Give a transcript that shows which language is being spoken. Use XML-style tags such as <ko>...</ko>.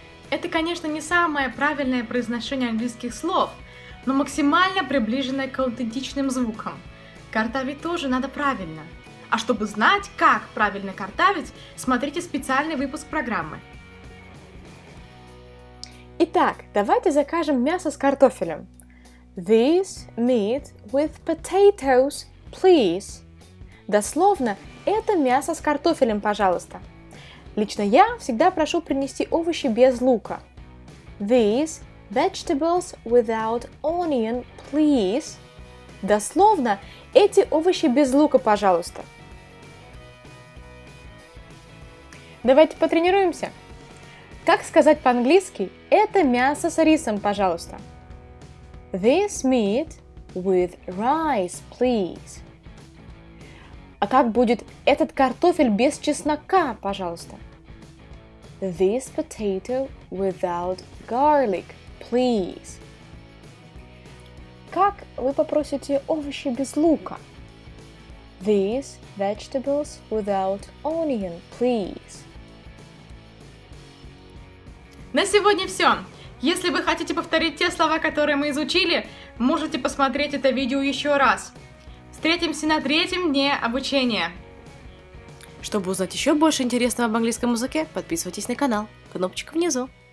<ru>Это, конечно, не самое правильное произношение английских слов, но максимально приближенное к аутентичным звукам. Картавить тоже надо правильно. А чтобы знать, как правильно картавить, смотрите специальный выпуск программы. Итак, давайте закажем мясо с картофелем.</ru> <en>This meat with potatoes. Please.</en> <ru>Дословно, это мясо с картофелем, пожалуйста. Лично я всегда прошу принести овощи без лука.</ru> <en>These vegetables without onion, please.</en> <ru>Дословно, эти овощи без лука, пожалуйста. Давайте потренируемся. Как сказать по-английски «это мясо с рисом, пожалуйста»?</ru> <en>This meat with rice, please.</en> <ru>А как будет этот картофель без чеснока, пожалуйста?</ru> <en>This potato without garlic, please.</en> <ru>Как вы попросите овощи без лука?</ru> <en>These vegetables without onion, please.</en> <ru>На сегодня все. Если вы хотите повторить те слова, которые мы изучили, можете посмотреть это видео еще раз. Встретимся на третьем дне обучения. Чтобы узнать еще больше интересного об английском языке, подписывайтесь на канал. Кнопочка внизу.</ru>